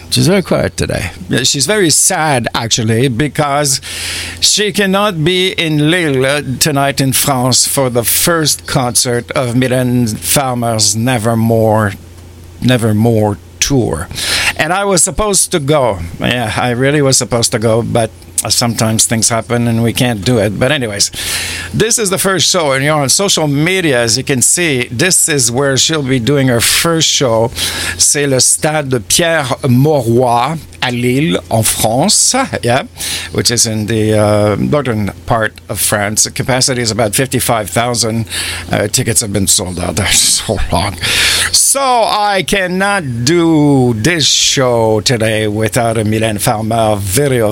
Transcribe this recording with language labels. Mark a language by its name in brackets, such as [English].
[English] She's very quiet today. She's very sad, actually, because she cannot be in Lille tonight in France for the first concert of Mylène Farmer's Nevermore tour. And I was supposed to go. Yeah, I really was supposed to go, but sometimes things happen and we can't do it. But anyways, this is the first show, and you're on social media, as you can see. This is where she'll be doing her first show. [French] C'est le Stade de Pierre Mauroy à Lille, en France. [English] Yeah, which is in the northern part of France. The capacity is about 55,000. Tickets have been sold out. That's so long. So I cannot do this show today without a Mylène Farmer video.